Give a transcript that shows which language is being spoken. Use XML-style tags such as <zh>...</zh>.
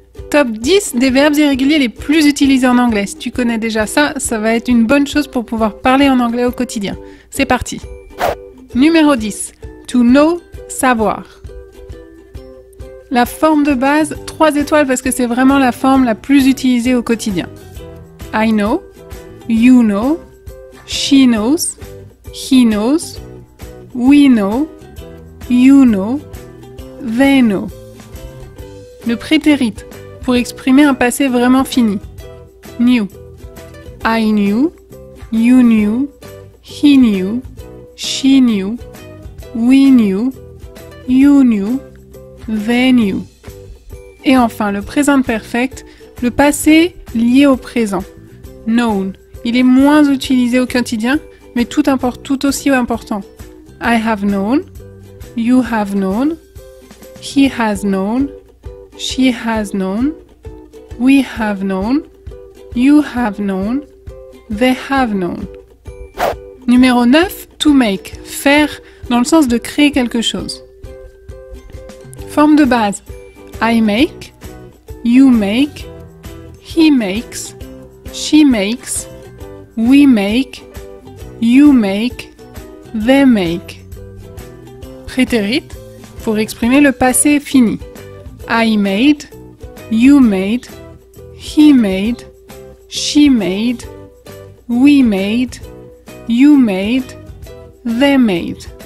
<fr>top 10 des verbes irréguliers les plus utilisés en anglais. Si tu connais déjà ça, ça va être une bonne chose pour pouvoir parler en anglais au quotidien. C'est parti. Numéro 10.</fr> <en>To know,</en> <fr>savoir. La forme de base, 3 étoiles parce que c'est vraiment la forme la plus utilisée au quotidien.</fr> <en>I know, you know, she knows, he knows, we know, you know, they know.</en> <fr>Le prétérit, pour exprimer un passé vraiment fini.</fr> <en>Knew. I knew, you knew, he knew, she knew, we knew, you knew, they knew.</en> <fr>Et enfin, le présent perfect, le passé lié au présent. Known. Il est moins utilisé au quotidien, mais tout aussi important.</fr> <en>I have known, you have known, he has known, she has known, we have known, you have known, they have known.</en> <fr>Numéro 9,</fr> <en>to make,</en> <fr>faire, dans le sens de créer quelque chose. Forme de base,</fr> <en>I make, you make, he makes, she makes, we make, you make, they make.</en> <fr>Préterit, pour exprimer le passé fini.</fr> <en>I made, you made, he made, she made, we made, you made, they made.</en>